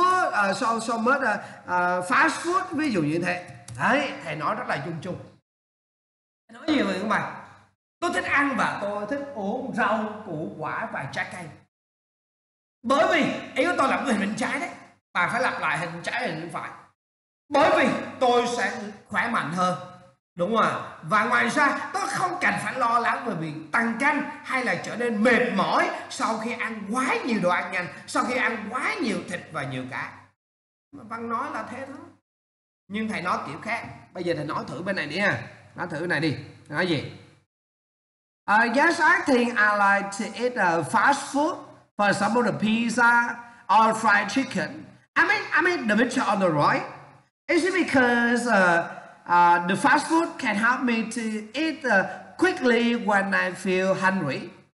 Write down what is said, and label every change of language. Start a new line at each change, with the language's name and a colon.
English: Is it because I can stay healthy with vegetable and fruit, and I don't need to worry about gaining weight or become tired after eating so much junk food, fast food.
Vietnamese: Ví dụ như thế. Đấy, thầy nói rất là chung. Thầy nói nhiều người các bạn. Tôi thích ăn và tôi thích uống rau, củ, quả và trái cây. Bởi vì ý của tôi là bức hình bên trái đấy. bạn phải lặp lại hình trái hình phải. Bởi vì tôi sẽ khỏe mạnh hơn, đúng không ạ? Và ngoài ra tôi không cần phải lo lắng về việc tăng cân hay là trở nên mệt mỏi sau khi ăn quá nhiều đồ ăn nhanh, sau khi ăn quá nhiều thịt và nhiều cá. Văn nói là thế thôi, nhưng thầy nói kiểu khác. Bây giờ thầy nói thử bên này đi ha. Nói thử bên này đi. Nói gì?
English: Yes, I think I like to eat fast food. For example, the pizza or fried chicken. I mean the mixture on the right. Is it because the fast food can help me to eat quickly when I feel hungry?